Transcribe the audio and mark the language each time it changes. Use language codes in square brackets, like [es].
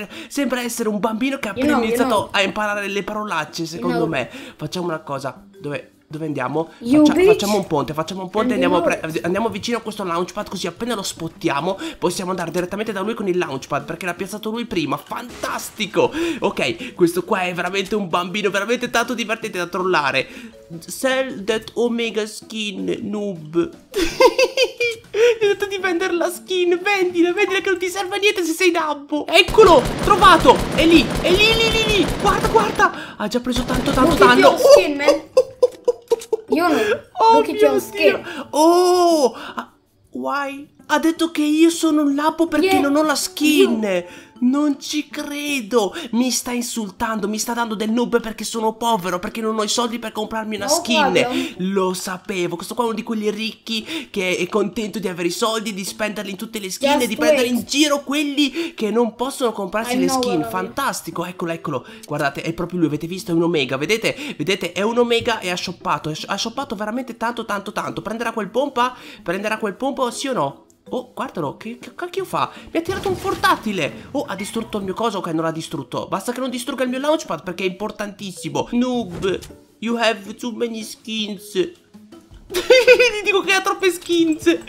[it] Sembra essere un bambino che ha appena iniziato a imparare le parolacce. Secondo me, facciamo una cosa. Dove? Dove andiamo? Facciamo un ponte, andiamo vicino a questo launchpad, così appena lo spottiamo possiamo andare direttamente da lui con il launchpad, perché l'ha piazzato lui prima. Fantastico! Ok, questo qua è veramente un bambino, veramente tanto divertente da trollare. [en] Sell that Omega skin, noob. [it] Ti ho detto di vendere la skin, vendila che non ti serve a niente se sei nabbo. Eccolo, trovato, è lì. Guarda, ha già preso tanto [en] look [it] danno. [en] Look at your skin, man. [it] Io non, [en] look at your skin. Oh, why? [it] Ha detto che io sono un nabbo perché non ho la skin. Non ci credo. Mi sta insultando, mi sta dando del noob perché sono povero, perché non ho i soldi per comprarmi una skin. Lo sapevo. Questo qua è uno di quegli ricchi che è contento di avere i soldi, di spenderli in tutte le skin, di prendere in giro quelli che non possono comprarsi le skin. Fantastico, eccolo. Guardate, è proprio lui, avete visto? È un Omega, vedete? È un Omega e ha shoppato veramente tanto. Prenderà quel pompa sì o no? Oh, guardalo, che cacchio fa? Mi ha tirato un portatile. Oh, ha distrutto il mio coso. Ok, non l'ha distrutto. Basta che non distrugga il mio launchpad, perché è importantissimo. [en] Noob, you have too many skins. [it] Gli dico che ha troppe skins.